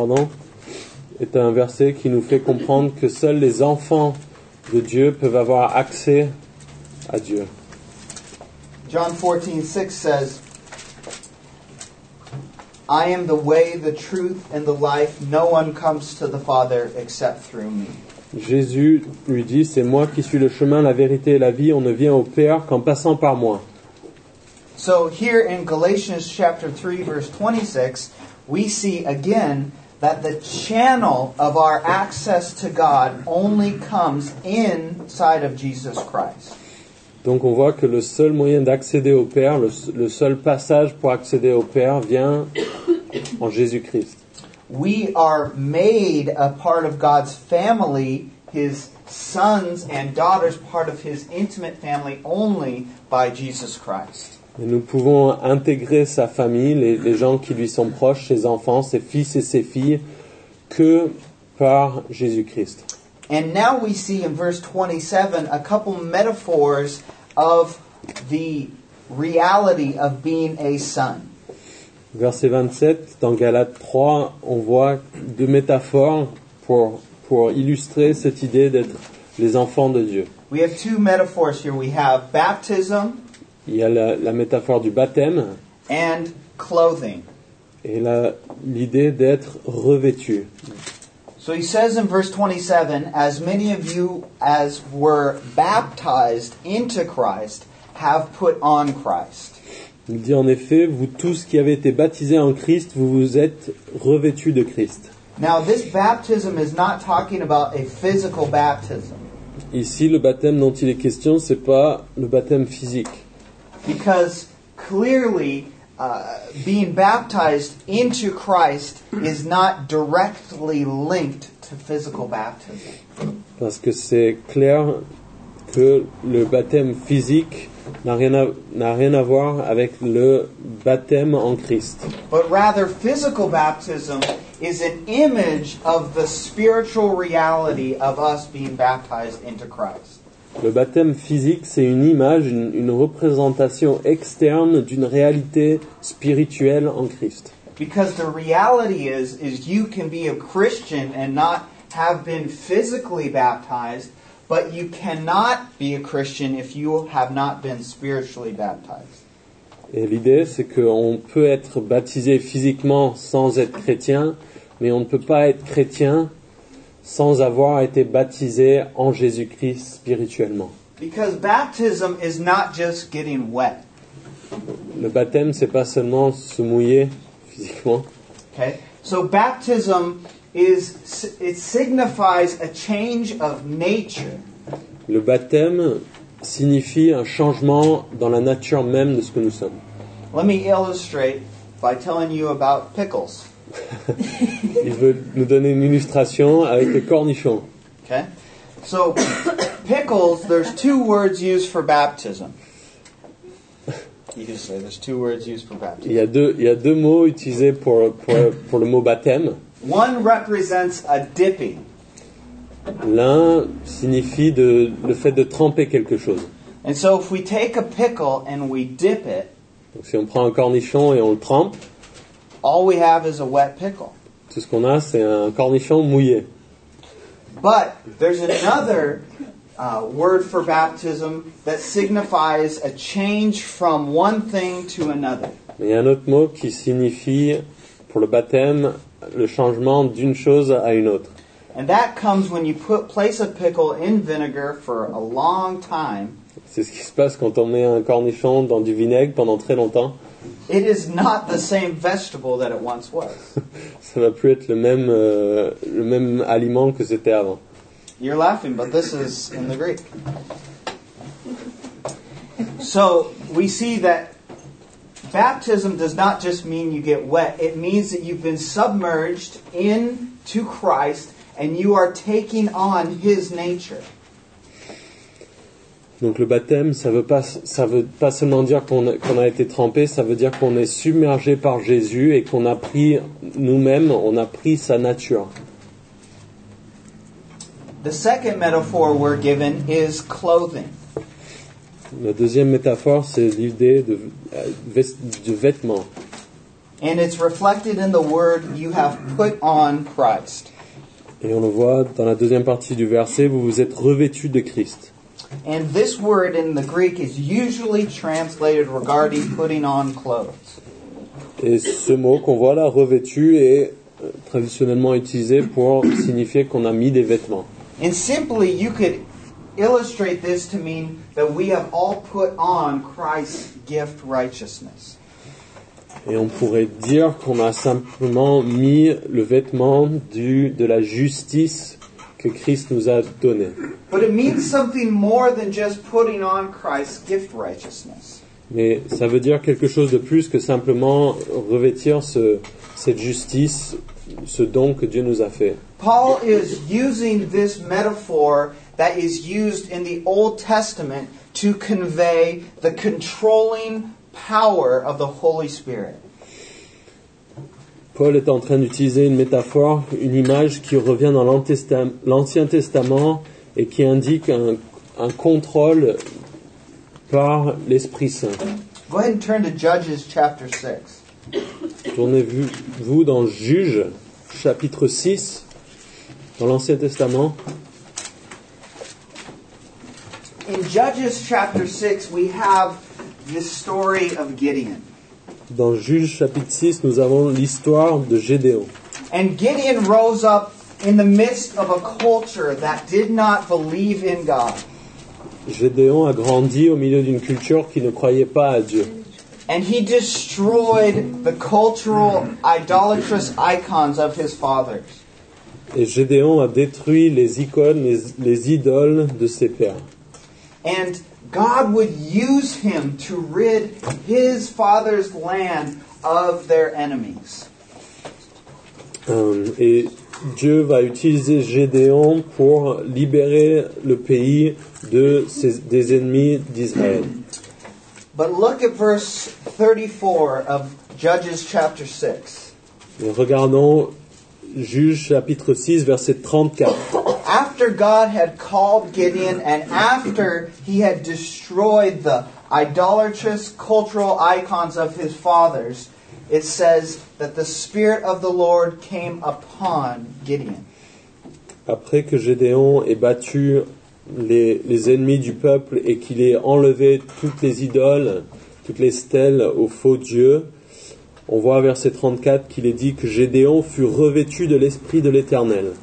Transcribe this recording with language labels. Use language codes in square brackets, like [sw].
[fr] Jean 14:6 est un verset qui nous fait comprendre que seuls les enfants de Dieu peuvent avoir accès à Dieu. [en] John 14:6 says, I am the way, the truth, and the life. No one comes to the Father except through me. [fr] Jésus lui dit, c'est moi qui suis le chemin, la vérité et la vie. On ne vient au Père qu'en passant par moi. [en] So here in Galatians chapter 3, verse 26, we see again that the channel of our access to God only comes inside of Jesus Christ. [fr] Donc on voit que le seul moyen d'accéder au Père, le seul passage pour accéder au Père vient en Jésus-Christ. [en] We are made a part of God's family, his sons and daughters, part of his intimate family only by Jesus Christ. [fr] Et nous pouvons intégrer sa famille, les gens qui lui sont proches, ses enfants, ses fils et ses filles, que par Jésus-Christ. [en] And now we see in verse 27 a couple metaphors of the reality of being a son. [fr] Verset 27, dans Galates 3, on voit deux métaphores pour illustrer cette idée d'être les enfants de Dieu. [en] We have two metaphors here. We have baptism. [fr] Il y a la métaphore du baptême. [en] And clothing. [fr] Et l'idée d'être revêtu. [en] So So he says in verse 27, as many of you as were baptized into Christ have put on Christ. [fr] Il dit en effet, vous tous qui avez été baptisés en Christ, vous vous êtes revêtus de Christ. [en] Now this baptism is not talking about a physical baptism. [fr] Ici, le baptême dont il est question, ce n'est pas le baptême physique. [en] Because clearly, being baptized into Christ is not directly linked to physical baptism. [fr] Parce que c'est clair que le baptême physique n'a rien à voir avec le baptême en Christ. [en] But rather, physical baptism is an image of the spiritual reality of us being baptized into Christ. [fr] Le baptême physique, c'est une image, une représentation externe d'une réalité spirituelle en Christ. [en] Because the reality is you can be a Christian and not have been physically baptized, but you cannot be a Christian if you have not been spiritually baptized. [fr] Et l'idée, c'est qu'on peut être baptisé physiquement sans être chrétien, mais on ne peut pas être chrétien sans avoir été baptisé en Jésus-Christ spirituellement. [en] Because baptism is not just getting wet. [fr] Le baptême, c'est pas seulement se mouiller physiquement. [en] Okay. So baptism is it signifies a change of nature. [fr] Le baptême signifie un changement dans la nature même de ce que nous sommes. [en] Let me illustrate by telling you about pickles. [fr] Il veut nous donner une illustration avec des cornichons. [en] Okay. So, pickles, there's two words used for baptism. You can say there's two words used for baptism. [fr] Il y a deux mots utilisés pour le mot baptême. [en] One represents a dipping. [fr] L'un signifie le fait de tremper quelque chose. [en] And so if we take a pickle and we dip it. [fr] Donc si on prend un cornichon et on le trempe, [en] all we have is a wet pickle. [fr] Tout ce qu'on a, c'est un cornichon mouillé. [en] But there's another word for baptism that signifies a change from one thing to another. [fr] Mais il y a un autre mot qui signifie pour le baptême le changement d'une chose à une autre. [en] And that comes when you place a pickle in vinegar for a long time. [fr] C'est ce qui se passe quand on met un cornichon dans du vinaigre pendant très longtemps. [en] It is not the same vegetable that it once was. [fr] Ça va plus être le même aliment que c'était avant. [en] You're laughing, but this is in the Greek. So, we see that baptism does not just mean you get wet. It means that you've been submerged into Christ and you are taking on his nature. [fr] Donc le baptême, ça veut pas seulement dire qu'on a été trempé, ça veut dire qu'on est submergé par Jésus et qu'on a pris nous-mêmes, on a pris sa nature. [en] The second metaphor we're given is clothing. [fr] La deuxième métaphore, c'est l'idée de vêtements. [en] And it's reflected in the word you have put on Christ. [fr] Et on le voit dans la deuxième partie du verset, vous vous êtes revêtu de Christ. [en] And this word in the Greek is usually translated regarding putting on clothes. [fr] Et ce mot qu'on voit là, revêtu, est traditionnellement utilisé pour signifier qu'on a mis des vêtements. [en] And simply, you could illustrate this to mean that we have all put on Christ's gift righteousness. [fr] Et on pourrait dire qu'on a simplement mis le vêtement de la justice que Christ nous a donné. [en] But it means something more than just putting on Christ's gift righteousness. [fr] Mais ça veut dire quelque chose de plus que simplement revêtir cette justice, ce don que Dieu nous a fait. [en] Paul is using this metaphor that is used in the Old Testament to convey the controlling power of the Holy Spirit. [fr] Paul est en train d'utiliser une métaphore, une image qui revient dans l'Ancien Testament et qui indique un contrôle par l'Esprit Saint. [en] Go ahead and turn to Judges chapter 6. [fr] Tournez-vous dans Juges chapitre 6 dans l'Ancien Testament. [en] In Judges chapter 6, we have the story of Gideon. [fr] Dans Juges chapitre 6, nous avons l'histoire de Gédéon. [en] And Gideon rose up in the midst of a culture that did not believe in God. [fr] Gédéon a grandi au milieu d'une culture qui ne croyait pas à Dieu. [en] And he destroyed the cultural idolatrous icons of his fathers. [fr] Et Gédéon a détruit les icônes, les idoles de ses pères. [en] And God would use him to rid his father's land of their enemies. [fr] Et Dieu va utiliser Gédéon pour libérer le pays de des ennemis d'Israël. [en] But look at verse 34 of Judges chapter 6. [fr] Et regardons Juges chapitre 6 verset 34. [en] After God had called Gideon and after he had destroyed the idolatrous cultural icons of his fathers, it says that the Spirit of the Lord came upon Gideon. [fr] Après que Gédéon ait battu les ennemis du peuple et qu'il ait enlevé toutes les idoles, toutes les stèles aux faux dieux, on voit verset 34 qu'il est dit que Gédéon fut revêtu de l'Esprit de l'Éternel.